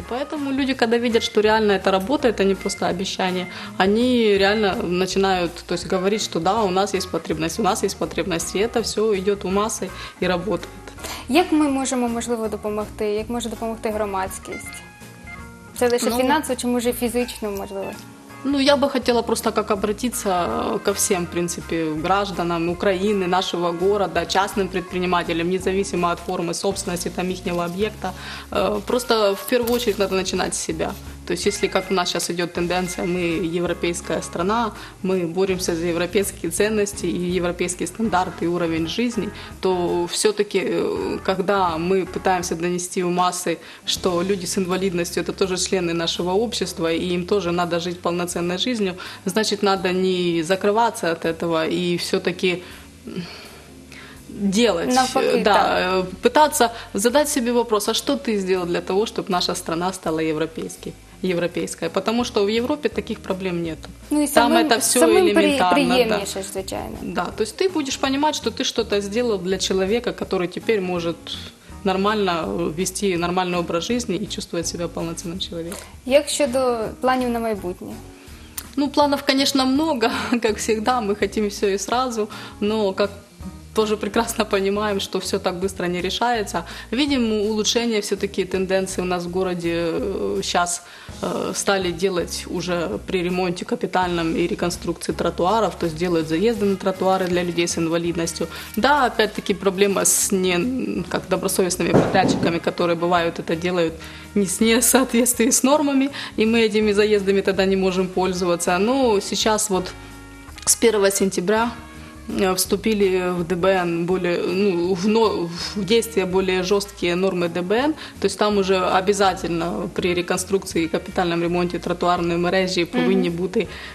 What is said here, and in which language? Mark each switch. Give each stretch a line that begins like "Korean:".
Ukrainian: Тому люди, коли бачать, що реально це працює, це не просто обіцяння, вони реально починають, тобто, говорити, що да, у нас є потребність, у нас є потребність, і це все йде у маси і працює. Як ми можемо, можливо, допомогти? Як може допомогти громадськість? Це лише фінансово чи, може, фізично, можливо?
Russian: Я бы хотела просто как обратиться ко всем, в принципе, гражданам Украины, нашего города, частным предпринимателям, независимо от формы собственности там ихнего объекта. Просто в первую очередь надо начинать с себя. То есть если, как у нас сейчас идет тенденция, мы европейская страна, мы боремся за европейские ценности и европейские стандарты и уровень жизни, то все-таки, когда мы пытаемся донести в массы, что люди с инвалидностью – это тоже члены нашего общества, и им тоже надо жить полноценной жизнью, значит, надо не закрываться от этого и все-таки… Делать, пытаться задать себе вопрос, а что ты сделал для того, чтобы наша страна стала европейской? Потому что в Европе таких проблем нет. Приемнейшее, случайно. Да, то есть ты будешь понимать, что ты что-то сделал для человека, который теперь может нормально вести нормальный образ жизни и чувствовать себя полноценным человеком.
Ukrainian: Як щодо планів на майбутнє?
Russian: Планов, конечно, много, как всегда, мы хотим все и сразу, но как тоже прекрасно понимаем, что все так быстро не решается. Видим улучшения, все-таки тенденции у нас в городе сейчас стали делать уже при ремонте капитальном и реконструкции тротуаров, то есть делают заезды на тротуары для людей с инвалидностью. Да, опять-таки проблема с не как добросовестными подрядчиками, которые бывают это делают не с несоответствием с нормами, и мы этими заездами тогда не можем пользоваться. Но сейчас вот с 1 сентября вступили в ДБН в действие более жесткие нормы ДБН, то есть там уже обязательно при реконструкции и капитальном ремонте тротуарной мережи
Ukrainian: повинні бути